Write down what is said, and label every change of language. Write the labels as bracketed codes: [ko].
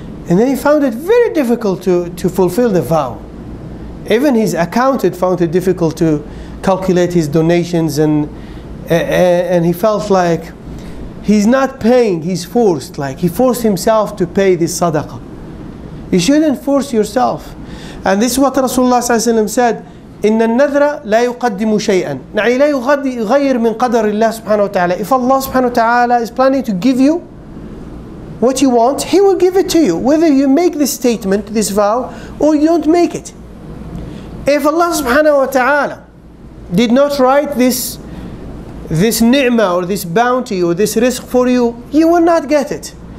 [en] And then he found it very difficult to fulfill the vow. Even his accountant found it difficult to calculate his donations and he felt like he's not paying, he's forced. Like he forced himself to pay this sadaqah. You shouldn't force yourself. And this is what Rasulullah said, [ar] إن النذر لا يقدم شيئا يعني لا يغير من قدر الله سبحانه وتعالى. [en] If Allah سبحانه وتعالى is planning to give you what you want, He will give it to you, whether you make this statement, this vow, or you don't make it. If Allah subhanahu wa ta'ala did not write this ni'mah or this bounty or this risk for you, you will not get it.